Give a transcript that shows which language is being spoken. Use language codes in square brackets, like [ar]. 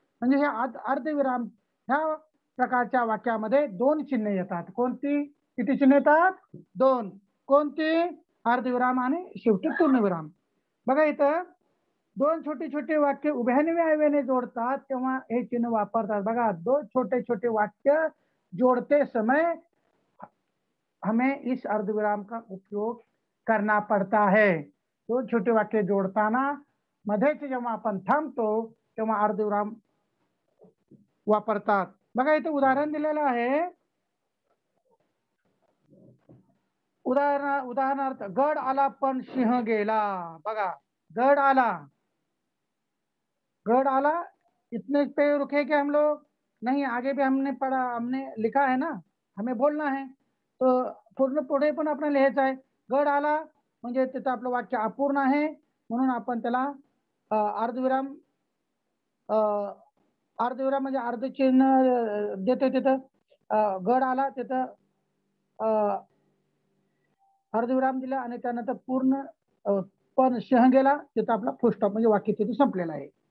[mr] म्हणजे हे अर्धविराम ह्या प्रकारच्या वाक्यामध्ये दोन चिन्ह येतात. कोणती? किती चिन्ह येतात? दोन. कोणती? अर्धविराम आणि शेवटी पूर्णविराम. बघा इथं दोन छोटे छोटे वाक्य उभ्यान्वयाने जोडतात तेव्हा हे चिन्ह वापरतात. बघा, दोन [hi] छोटे छोटे वाक्य जोडते समय हमें इस अर्धविराम का उपयोग करना पड़ता है. [mr] दोन छोटे वाक्य जोडताना मध्येच जेव्हा आपण थांबतो तेव्हा अर्धविराम वापरतात. बघा इथे उदाहरण दिलेलं आहे. उदाहरणार्थ गड आला पण सिंह गेला. बघा, गड आला, गड आला, [hi] इतने पे रुके क्या हम लोग? नहीं, आगे भी हमने पढ़ा, हमने लिखा है ना, हमें बोलना है. [mr] तो पूर्ण पुढे पण आपण लिहायचं आहे. गड आला म्हणजे तिथं आपलं वाक्य अपूर्ण आहे, म्हणून आपण त्याला अर्धविराम, अर्धविराम म्हणजे अर्ध चिन्ह देतोय. तिथं गड आला, तिथं अर्धविराम दिला, आणि त्यानंतर पूर्ण पण सिंह गेला, तिथं आपला फुलस्टॉप, म्हणजे वाक्य तिथे संपलेलं आहे.